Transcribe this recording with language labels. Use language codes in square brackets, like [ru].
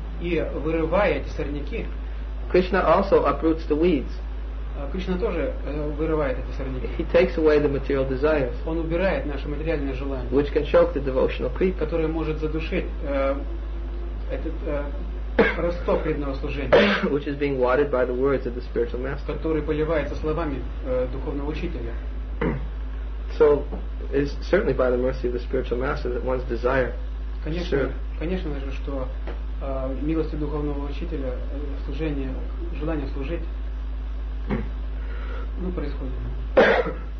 [ru] И вырывая эти сорняки. [en] Krishna also uproots the weeds. [ru] Кришна тоже вырывает эти сорняки. [en] He takes away the material desires. [ru] Он убирает наше материальное желание. [en] Which can choke the devotional creed. [ru] Которое может задушить этот росток преданного служения. [en] Which is being watered by the words of the spiritual master. [ru] Который поливается словами духовного учителя. [en] So it's certainly by the mercy of the spiritual master that one's desire. [ru] Конечно же, что милостью духовного учителя служение, желание служить, происходит.